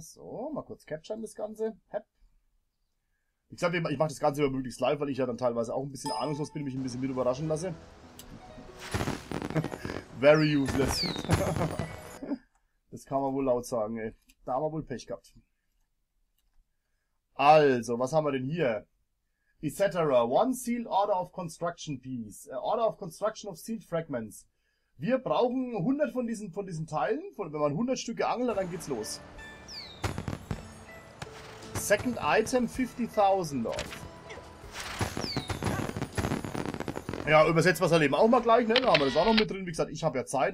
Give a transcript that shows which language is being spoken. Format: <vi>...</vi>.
<de>So, mal kurz capturen das Ganze. Hep. Ich sag immer, ich mache das Ganze immer möglichst live, weil ich ja dann teilweise auch ein bisschen ahnungslos bin und mich ein bisschen mit überraschen lasse.</de> <en>Very useless.</en> <de>Das kann man wohl laut sagen, ey. Da haben wir wohl Pech gehabt. Also, was haben wir denn hier?</de> <en>Etc. One sealed order of construction piece. Order of construction of sealed fragments.</en> <de>Wir brauchen 100 von diesen Teilen. Wenn man 100 Stücke angelt, dann geht's los.</de> <en>Second item 50.000 off.</en> <de>Ja, übersetzt was er eben auch mal gleich, ne? Da haben wir das auch noch mit drin. Wie gesagt, ich habe ja Zeit.</de>